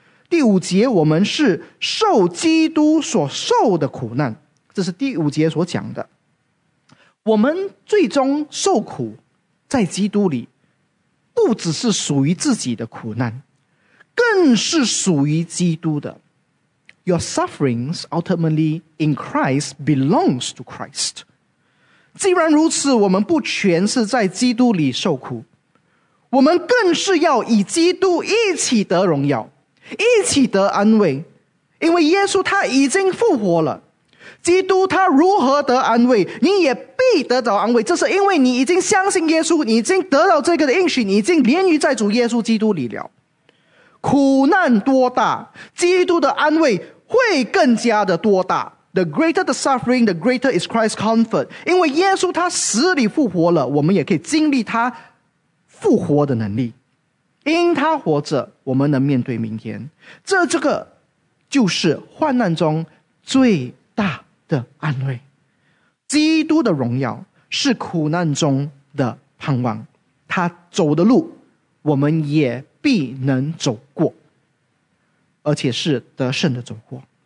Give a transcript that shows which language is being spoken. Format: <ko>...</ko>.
<zh>第五节，我们是受基督所受的苦难，这是第五节所讲的。我们最终受苦在基督里，不只是属于自己的苦难，更是属于基督的。</zh> <en>Your sufferings ultimately in Christ belongs to Christ.</en> <zh>既然如此，我们不全是在基督里受苦，我们更是要与基督一起得荣耀，一起得安慰。因为耶稣他已经复活了，基督他如何得安慰，你也必得到安慰。这是因为你已经相信耶稣，你已经得到这个的应许，你已经连于在主耶稣基督里了。苦难多大，基督的安慰会更加的多大。</zh> <en>The greater the suffering, the greater is Christ's comfort.</en> <zh>因为耶稣他死里复活了，我们也可以经历他复活的能力。因他活着，我们能面对明天。这个就是患难中最大的安慰。基督的荣耀是苦难中的盼望，他走的路我们也必能走过，而且是得胜的走过。</zh>